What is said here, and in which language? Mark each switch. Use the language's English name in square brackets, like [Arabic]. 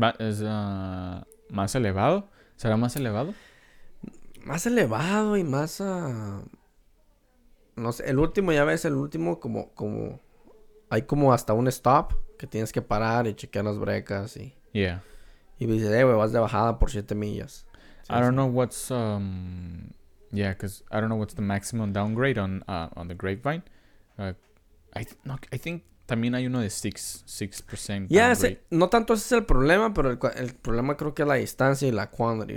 [Spanish] Es... ¿Más elevado? ¿Será más elevado? Más elevado y más a... No sé, el último, ya ves, el último como... Hay como hasta un stop que tienes que parar y chequear las brecas y... [English] Yeah. [Spanish] Y dices, güey, vas de bajada por 7 millas. ¿Sí? [English] I don't know what's, yeah, because I don't know what's the maximum downgrade on the Grapevine. I think... [Spanish] También hay uno de 6% [English] downgrade. [Spanish] No tanto ese es el problema, pero el problema creo que es la distancia y la quantity.